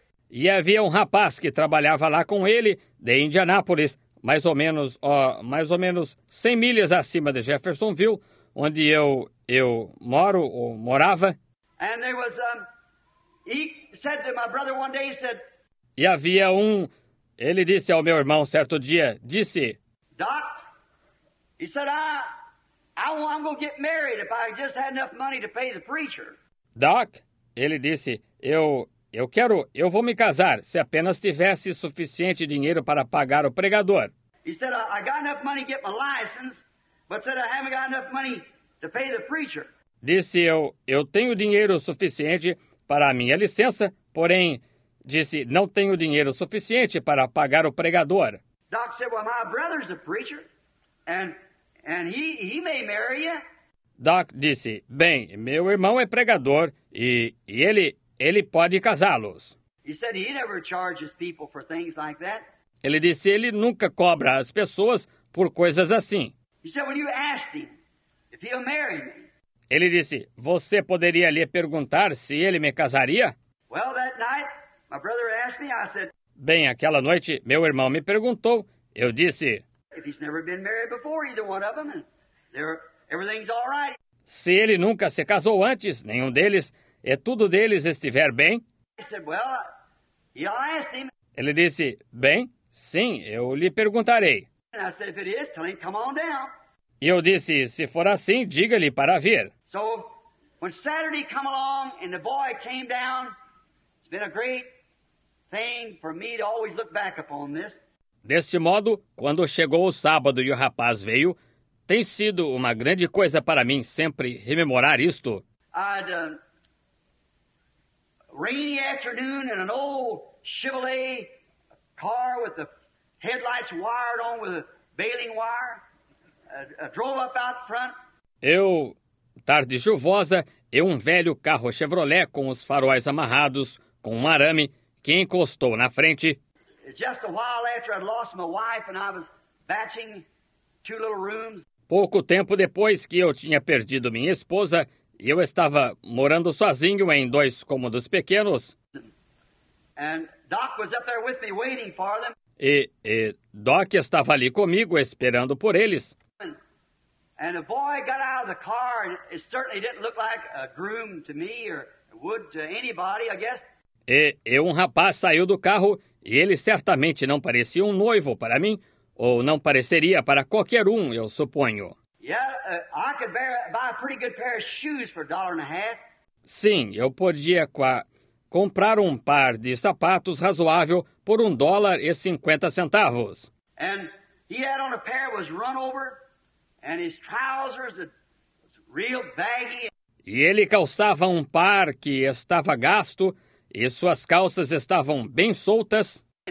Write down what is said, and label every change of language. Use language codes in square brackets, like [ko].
[pt] E havia um rapaz que trabalhava lá com ele, de Indianápolis, mais ou menos 100 milhas acima de Jeffersonville, onde eu moro ou morava. [en] And there was, he said to my brother one day, he said, [pt] e havia um, ele disse ao meu irmão certo dia, disse, [en] Doc, he said, I'm going to get married if I just had enough money to pay the preacher. [pt] Doc, ele disse, eu vou me casar, se apenas tivesse suficiente dinheiro para pagar o pregador. [en] He said, I got enough money to get my license, but said I haven't got enough money to pay the preacher. [pt] Disse eu tenho dinheiro suficiente para a minha licença, porém, disse, não tenho dinheiro suficiente para pagar o pregador. [en] Doc said, well, my brother's a preacher, and he may marry you. [pt] Doc disse, bem, meu irmão é pregador e ele pode casá-los. [en] He said he never charges people for things like that. [pt] Ele disse, ele nunca cobra as pessoas por coisas assim. [en] He said, when you asked him if he'll marry me. [pt] Ele disse, você poderia lhe perguntar se ele me casaria? [en] Well, that night, my brother asked me, I said, [pt] bem, aquela noite, meu irmão me perguntou, eu disse, [en] if he's never been married before, either one of them, everything's all right. [pt] Se ele nunca se casou antes, nenhum deles, e tudo deles estiver bem. [en] I said, well, I asked him. [pt] Ele disse, bem, sim, eu lhe perguntarei. [en] And I said, if it is, tell him, come on down. [pt] E eu disse, se for assim, diga-lhe para vir. [en] So, when Saturday came along and the boy came down, it's been a great thing for me to always look back upon this. [pt] Deste modo, quando chegou o sábado e o rapaz veio, tem sido uma grande coisa para mim sempre rememorar isto. [en] I'd, rainy afternoon in an old Chevrolet car with the headlights wired on with a baling wire. Drove up out front. [pt] Eu, tarde chuvosa, e um velho carro Chevrolet com os faróis amarrados, com um arame, que encostou na frente. [en] Just a while after I'd lost my wife and I was batching two little rooms. [pt] Pouco tempo depois que eu tinha perdido minha esposa, eu estava morando sozinho em dois cômodos pequenos. [en] And Doc was up there with me waiting for them. [pt] E Doc estava ali comigo esperando por eles. [en] And a boy got out of the car and it certainly didn't look like a groom to me or would to anybody, I guess. [pt] E um rapaz saiu do carro e ele certamente não parecia um noivo para mim ou não pareceria para qualquer um, eu suponho. [en] Yeah, I could buy a pretty good pair of shoes for a dollar and a half. [pt] Sim, eu podia comprar um par de sapatos razoável por $1.50. [en] And he had on a pair that was run over. And his trousers was real baggy. [pt] E ele calçava um par que estava gasto, e suas calças estavam bem soltas.